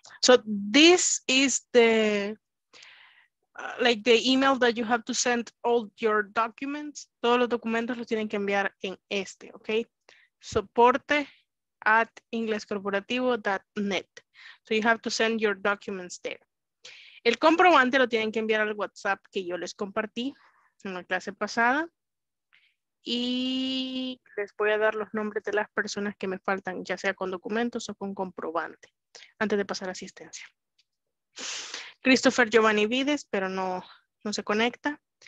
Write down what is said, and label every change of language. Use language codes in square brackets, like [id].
[en] So this is the like the email that you have to send all your documents. [es] Todos los documentos los tienen que enviar en este, okay? Soporte@inglescorporativo.net. [en] So you have to send your documents there. [es] El comprobante lo tienen que enviar al WhatsApp que yo les compartí en la clase pasada. Y les voy a dar los nombres de las personas que me faltan, ya sea con documentos o con comprobante, antes de pasar a asistencia. Christopher Giovanni Vides, pero no se conecta.